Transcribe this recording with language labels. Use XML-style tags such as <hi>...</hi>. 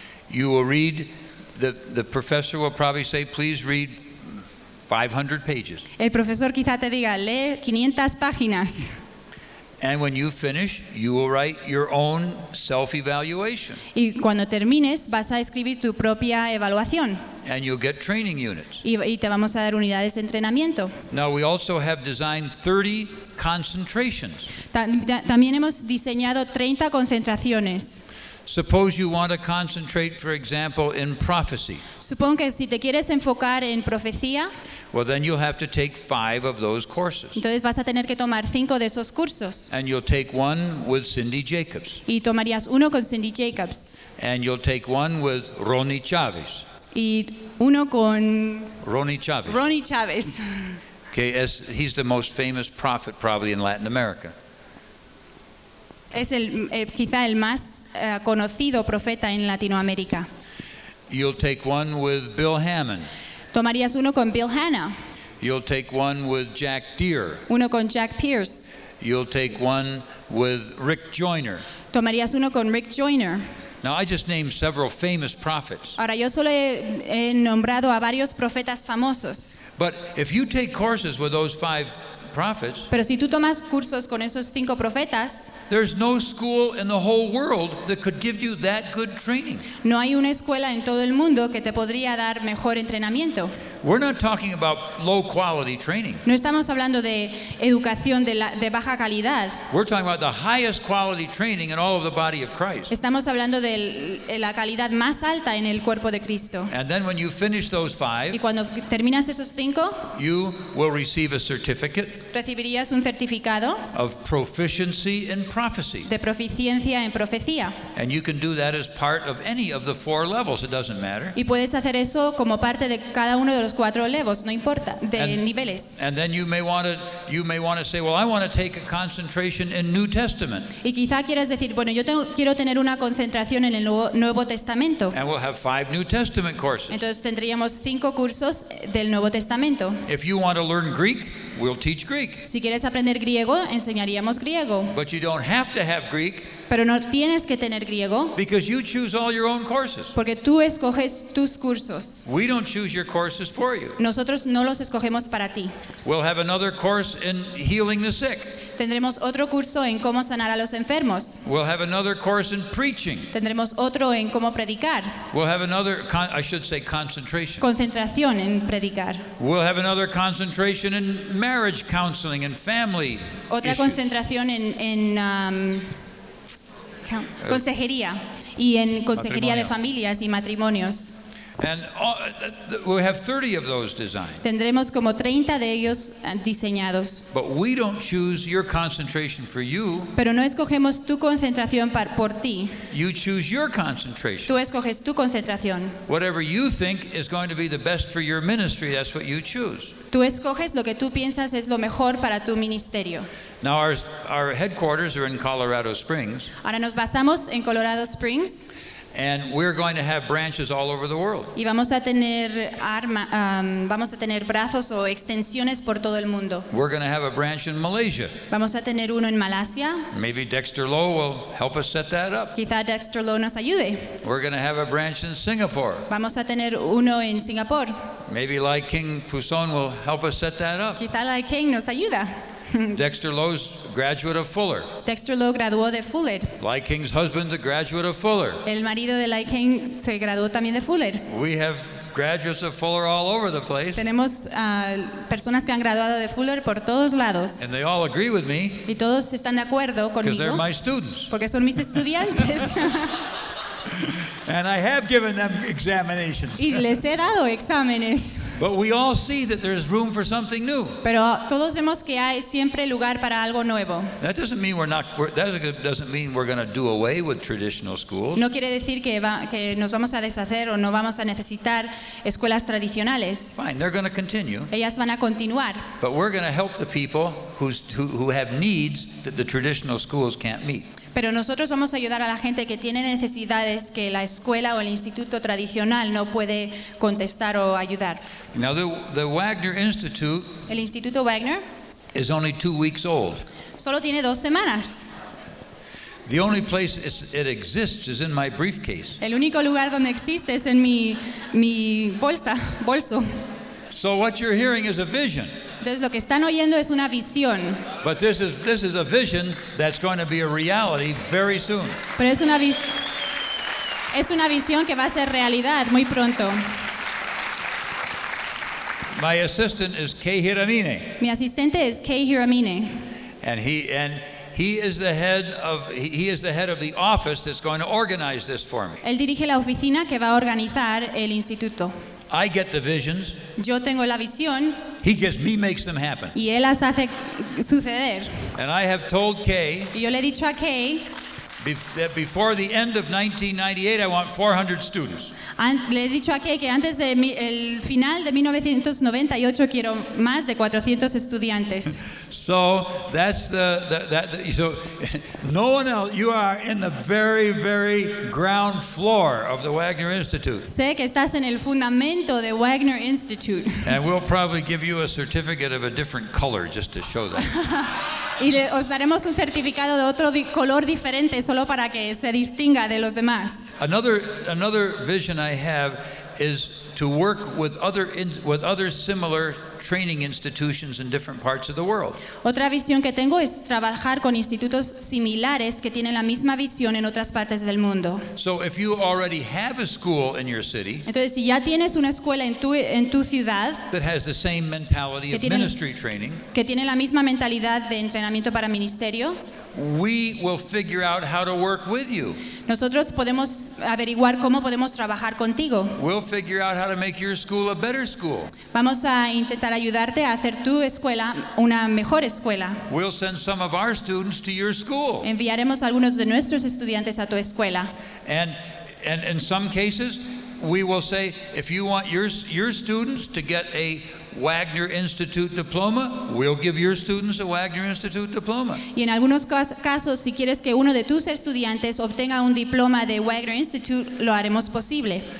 <en>You will read, the professor will probably say, please read 500 pages.</en> <es>El profesor quizá te diga, lee 500 páginas.</es> <en>And when you finish, you will write your own self-evaluation.</en> <es>Y cuando termines, vas a escribir tu propia evaluación.</es> <en>And you'll get training units.</en> <es>Y te vamos a dar unidades de entrenamiento.</es> <en>Now we also have designed 30 concentrations.</en> <es>También hemos diseñado 30 concentraciones.</es> <en>Suppose you want to concentrate, for example, in prophecy.</en> <es>Supongo que si te quieres enfocar en profecía.</es> <en>Well, then you'll have to take 5 of those courses.</en> <es>Entonces vas a tener que tomar 5 de esos cursos.</es> <en>And you'll take one with Cindy Jacobs.</en> <es>Y tomarías uno con Cindy Jacobs.</es> <en>And you'll take one with Ronnie Chavez.</en> <es>Y uno con Ronnie Chavez. Ronnie Chavez.</es> <en>Okay, he's the most famous prophet probably in Latin America.</en> <es>Es el quizá el más conocido profeta en Latinoamérica.</es> <en>You'll take one with Bill Hammond.</en> <es>Tomarías uno con Bill Hanna.</es> <en>You'll take one with Jack Deere.</en> <es>Uno con Jack Pierce.</es> <en>You'll take one with Rick Joyner.</en> <es>Tomarías uno con Rick Joyner.</es> <en>Now I just named several famous prophets.</en> <es>Ahora yo solo he nombrado a varios profetas famosos.</es> <en>But if you take courses with those 5 prophets,</en> <es>pero si tú tomas cursos con esos 5 profetas,</es> <en>there's no school in the whole world that could give you that good training.</en> <es>No hay una escuela en todo el mundo que te podría dar mejor entrenamiento.</es> <en>We're not talking about low quality training.</en> <es>No estamos hablando de educación de baja calidad.</es> <en>We're talking about the highest quality training in all of the body of Christ.</en> <es>Estamos hablando de la calidad más alta en el cuerpo de Cristo.</es> <en>And then when you finish those 5,</en> <es>y cuando terminas esos 5,</es> <en>you will receive a certificate.</en> <es>Recibirías un certificado</es> <en>of proficiency in prophecy.</en> <es>De proficiencia en profecía.</es> <en>And you can do that as part of any of the 4 levels, it doesn't matter.</en> <es>Y puedes hacer eso como parte de cada uno de los 4</es> <en>levels,</en> <es>no importa, de niveles.</es> <en>And then you may want to say, well, I want to take a concentration in New Testament.</en> <es>Y quizá quieras decir, bueno, yo quiero tener una concentración en el Nuevo Testamento.</es> <en>And we'll have 5 New Testament courses.</en> <es>Entonces tendríamos 5 cursos del Nuevo Testamento.</es> <en>If you want to learn Greek, we'll teach Greek.</en> <es>Si quieres aprender griego, enseñaríamos griego.</es> <en>But you don't have to have Greek.</en> <es>Pero no tienes que tener griego.</es> <en>Because you choose all your own courses.</en> <es>Porque tú escoges tus cursos.</es> <en>We don't choose your courses for you.</en> <es>Nosotros no los escogemos para ti.</es> <en>We'll have another course in healing the sick.</en> <es>Tendremos otro curso en cómo sanar a los enfermos.</es> <en>We'll have another course in preaching.</en> <es>Tendremos otro en cómo predicar.</es> <en>We'll have another, I should say, concentration.</en> <es>Concentración en predicar.</es> <en>We'll have another concentration in marriage counseling and family.</en> <es>Otra</es> <en>issues.</en> <es>Concentración en consejería y en consejería de familias y matrimonios.</es> <en>And we have 30 of those designed.</en> <es>Tendremos como 30 de ellos diseñados.</es> <en>But we don't choose your concentration for you.</en> <es>Pero no escogemos tu concentración por ti.</es> <en>You choose your concentration.</en> <es>Tú escoges tu concentración.</es> <en>Whatever you think is going to be the best for your ministry, that's what you choose.</en> <es>Tú escoges lo que tú piensas es lo mejor para tu ministerio.</es> <en>Now our headquarters are in Colorado Springs.</en> <es>Ahora nos basamos en Colorado Springs.</es> <en>And we're going to have branches all over the world.</en> <es>Y vamos a tener brazos o extensiones por todo el mundo.</es> <en>We're going to have a branch in Malaysia.</en> <es>Vamos a tener uno en Malasia.</es> <en>Maybe Dexter Lowe will help us set that up.</en> <es>Quizá Dexter Lowe nos ayude.</es> <en>We're going to have a branch in Singapore.</en> <es>Vamos a tener uno en Singapore.</es> <en>Maybe Lai King Pusson will help us set that up.</en> <es>Quizá Lai King nos ayuda.</es> <en>Dexter Lowe's graduate of Fuller.</en> <es>Dexter Lowe graduó de Fuller.</es> <en>Lai King's husband's a graduate of Fuller.</en> <es>El marido de Lai King se graduó también de Fuller.</es> <en>We have graduates of Fuller all over the place.</en> <es>Tenemos personas que han graduado de Fuller por todos lados.</es> <en>And they all agree with me.</en> <es>Y todos están de acuerdo conmigo.</es> <en>Because they're my students.</en> <es>Porque son mis estudiantes.</es> <en>And I have given them examinations.</en> <es>Y les he dado exámenes.</es> <en>But we all see that there's room for something new.</en> <es>Pero todos vemos que hay siempre lugar para algo nuevo.</es> <en>That doesn't mean we're going to do away with traditional schools.</en> <es>No quiere decir que nos vamos a deshacer o no vamos a necesitar escuelas tradicionales.</es> <en>Fine, they're going to continue.</en> <es>Ellas van a continuar.</es> <en>But we're going to help the people who have needs that the traditional schools can't meet.</en> <es>Pero nosotros vamos a ayudar a la gente que tiene necesidades que la escuela o el instituto tradicional no puede contestar o ayudar.</es> <en>Now the Wagner Institute,</en> <es>el Instituto Wagner,</es> <en>is only 2 weeks old.</en> <es>Solo tiene 2 semanas.</es> <en>The only place it exists is in my briefcase.</en> <es>El único lugar donde existe es en mi bolsa, bolso.</es> <en>So what you're hearing is a vision.</en> <es>Entonces lo que están oyendo es una visión.</es> <en>But this is a vision that's going to be a reality very soon.</en> <es>Pero es una visión que va a ser realidad muy pronto.</es> <en>My assistant is Kay Hiramine.</en> <es>Mi asistente es Kay Hiramine.</es> <en>And He is the head of the office that's going to organize this for me.</en> <es>Él dirige la oficina que va a organizar el instituto.</es> <en>I get the visions.</en> <es>Yo tengo la visión.</es> <en>He gives me, makes them happen.</en> <es>Y él las hace suceder.</es> <en>And I have told Kay.</en> <es>Y yo le he dicho a Kay.</es> <en>That before the end of 1998, I want 400 students.</en> <es>Le he dicho a Kay que antes de el final de 1998 quiero más de 400 estudiantes.</es> <en>So that's so no one else. You are in the very, very ground floor of the Wagner Institute.</en> <es>Sé que estás en el fundamento de Wagner Institute.</es> <en>And we'll probably give you a certificate of a different color just to show that.</en> <es>Y os daremos un certificado de otro color diferente solo para que se distinga de los demás.</es> <en>Another vision I have is to work with other similar training institutions in different parts of the world.</en> <es>Otra visión que tengo es trabajar con institutos similares que tienen la misma visión en otras partes del mundo.</es> <en>So if you already have a school in your city,</en> <es>entonces si ya tienes una escuela en tu ciudad</es> <en>that has the same mentality of ministry training,</en> <es>que tiene la misma mentalidad de entrenamiento para ministerio,</es> <en>we will figure out how to work with you.</en> <es>Nosotros podemos averiguar cómo podemos trabajar contigo.</es> <en>We'll figure out how to make your school a better school.</en> <es>Vamos a intentar ayudarte a hacer tu escuela una mejor escuela.</es> <en>We'll send some of our students to your school.</en> <es>Enviaremos algunos de nuestros estudiantes a tu escuela.</es> <en>And in some cases, we will say, if you want your students to get a Wagner Institute diploma, we'll give your students a Wagner Institute diploma.</en> <es>Y en algunos casos, si quieres que uno de tus estudiantes obtenga un diploma de Wagner Institute, lo haremos posible.</es>